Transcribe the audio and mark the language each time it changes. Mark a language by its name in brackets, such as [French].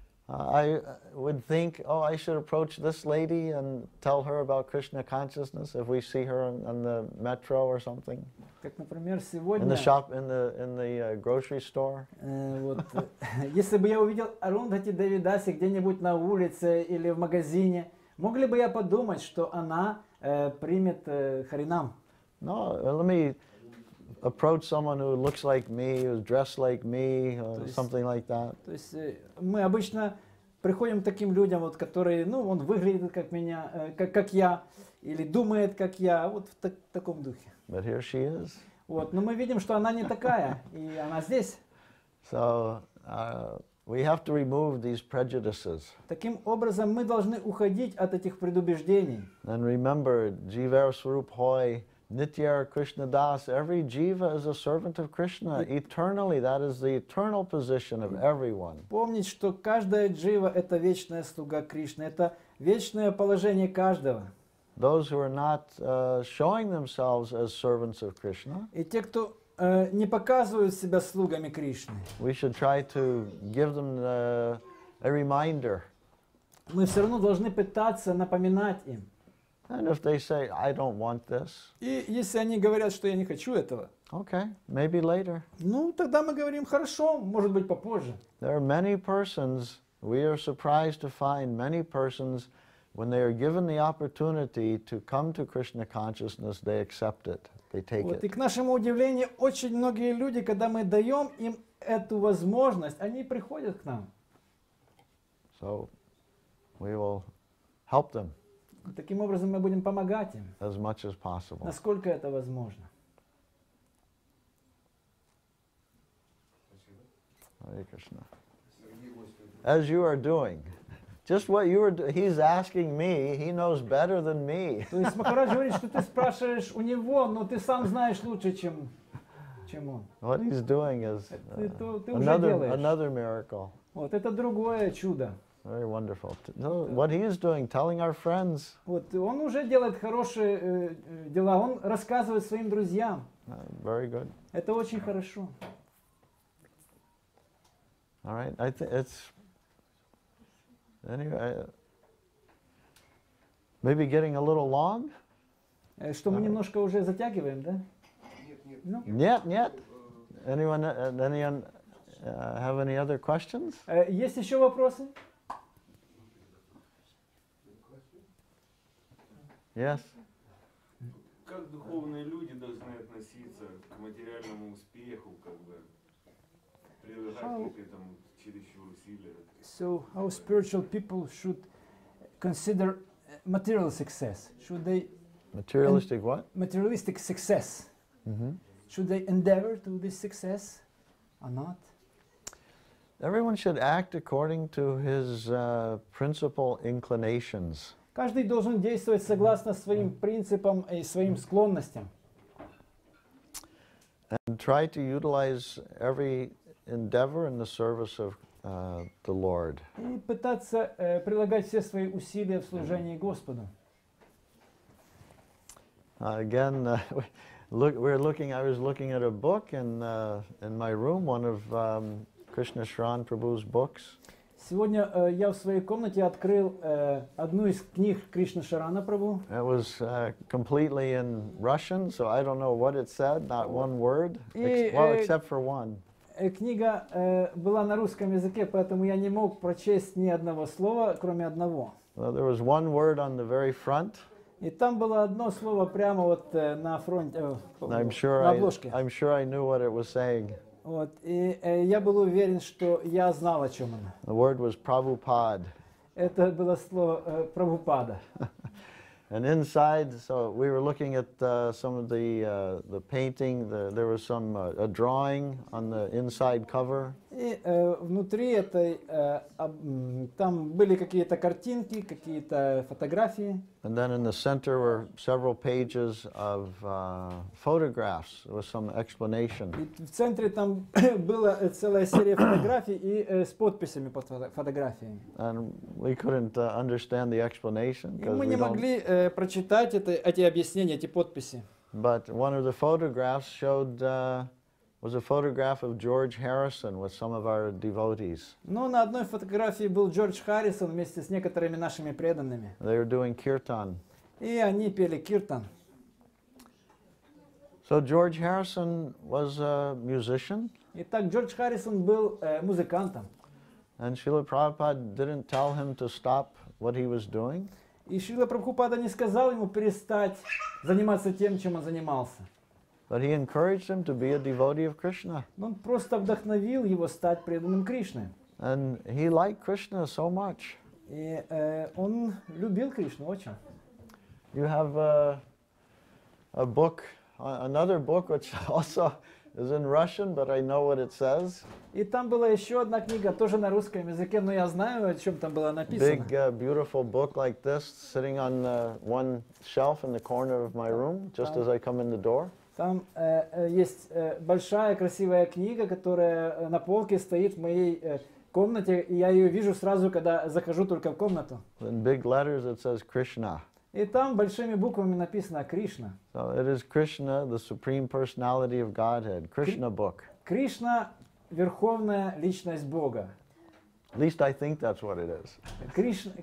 [English] I would think, oh, I should approach this lady and tell her about Krishna consciousness if we see her on the metro or something. [Russian] Как, например, сегодня. [English] In the shop, in the grocery store. [Russian] Вот, если бы я увидел Арундхати Деви Даси где-нибудь на улице или в магазине, могли бы я подумать, что она примет харинам? [English] No, let me approach someone who looks like me, who's dressed like me, something like that. [Russian] То есть мы обычно приходим к таким людям, вот, которые, ну, он выглядит как меня, как я, или думает как я, вот в таком духе. [English] But here she is. [Russian] Вот, но мы видим, что она не такая, и она здесь. [English] So we have to remove these prejudices. [Russian] Таким образом, мы должны уходить от этих предубеждений. [English] And remember, [Bangla] jivar swarup hoy. Nityar Krishna Das, [English] every jiva is a servant of Krishna eternally. That is the eternal position of everyone. [Russian] Помнить, что каждая джива — это вечная слуга Кришны. Это вечное положение каждого. [English] Those who are not showing themselves as servants of Krishna. [Russian] И те, кто не показывают себя слугами Кришны. [English] We should try to give them a reminder. [Russian] Мы все равно должны пытаться напоминать им. [English] And if they say, I don't want this. [Russian] И если они говорят, что я не хочу этого. [English] Okay, maybe later. [Russian] Ну, тогда мы говорим, хорошо, может быть, попозже. [English] There are many persons, we are surprised to find many persons, when they are given the opportunity to come to Krishna consciousness, they accept it, they take it. [Russian] И к нашему удивлению, очень многие люди, когда мы даем им эту возможность, они приходят к нам. [English] So, we will help them. [Russian] Таким образом, мы будем помогать им, [English] as much as possible. [Russian] Насколько это возможно. [English] Hare Krishna. As you are doing. Just what you are doing. He's asking me, he knows better than me. [Russian] То есть Махарадж говорит, что ты спрашиваешь у него, но ты сам знаешь лучше, чем он. [English] What he's doing is another miracle. [Russian] Вот это другое чудо. [English] Very wonderful. So what he is doing, telling our friends. [Russian] Вот он уже делает хорошие дела. Он рассказывает своим друзьям. [English] Very good. [Russian] Это очень хорошо. [English] All right. I think it's anyway. Maybe getting a little long. [Russian] Что мы немножко уже затягиваем, да? Нет, нет. [English] Anyone have any other questions? [Russian] Есть еще вопросы? [English] Yes. [Russian] Как духовные люди должны относиться к материальному успеху, как бы прилагать к этому чересчур усилия? [English] So how spiritual people should consider material success? Should they materialistic what? Materialistic success. Mm-hmm. Should they endeavor to this success or not? Everyone should act according to his principal inclinations. [Russian] Каждый должен действовать согласно своим принципам и своим склонностям. [English] And try to utilize every endeavor in the service of the Lord. [Russian] И пытаться прилагать все свои усилия в служении Господу. [English] Again, I was looking at a book in my room, one of Krishna Sharan Prabhu's books. [Russian] Сегодня я в своей комнате открыл одну из книг Кришны Шарана Прабху. [English] It was completely in Russian, so I don't know what it said, not one word, except for one. [Russian] книга была на русском языке, поэтому я не мог прочесть ни одного слова, кроме одного. [English] Well, there was one word on the very front. [Russian] И там было одно слово прямо вот на фронте, на обложке. [English] I'm sure I knew what it was saying. [Russian] Вот, и я был уверен, что я знал, о чем оно. [English] The word was Prabhupada. [Russian] Это было слово Прабхупада. [English] And inside, so we were looking at some of the painting. There was some a drawing on the inside cover. [Russian] И внутри этой там были какие-то картинки, какие-то фотографии. [English] And then in the center were several pages of photographs with some explanation. [Russian] И в центре там была целая серия фотографий и с подписями под фотографиями. [English] And we couldn't understand the explanation. [Russian] И мы не могли прочитать эти объяснения, эти подписи. [English] But one of the photographs showed was a photograph of George Harrison with some of our devotees. [Russian] Ну, на одной фотографии был Джордж Харрисон вместе с некоторыми нашими преданными. [English] They were doing kirtan. [Russian] И они пели киртан. [English] So George Harrison was a musician. [Russian] Итак, Джордж Харрисон был музыкантом. [English] And Srila Prabhupada didn't tell him to stop what he was doing. [Russian] И Шрила Прабхупада не сказал ему перестать заниматься тем, чем он занимался. [English] But he encouraged him to be a devotee of Krishna. [Russian] Он просто вдохновил его стать преданным Кришны. [English] And he liked Krishna so much. [Russian] И он любил Кришну очень. [English] You have a book, another book, which also is in Russian, but I know what it says. [Russian] И там была еще одна книга, тоже на русском языке, но я знаю, о чем там было написано. [English] Big, beautiful book like this, sitting on one shelf in the corner of my room, just as I come in the door. [Russian] Там есть большая красивая книга, которая на полке стоит в моей комнате, и я ее вижу сразу, когда захожу только в комнату. [English] In big letters it says Krishna. [Russian] И там большими буквами написано Кришна. [English] So it is Krishna, the Supreme Personality of Godhead, Krishna book. [Russian] Кришна — верховная личность Бога. [English] At least I think that's what it is.